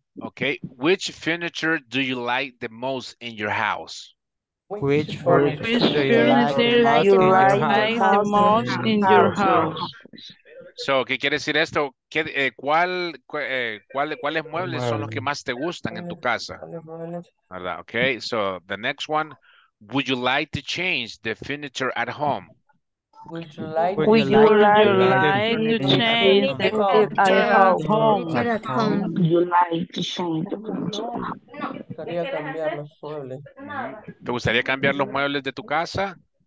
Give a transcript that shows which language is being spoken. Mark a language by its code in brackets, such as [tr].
[en] Okay, which furniture do you like the most in your house? Which furniture do you like the most in your house? So, [es] ¿qué quiere decir esto? ¿Cuáles muebles son los que más te gustan en tu casa? ¿Verdad? [en] Okay, so the next one. Would you like to change the furniture at home? [es] ¿Te gustaría cambiar los muebles de tu casa?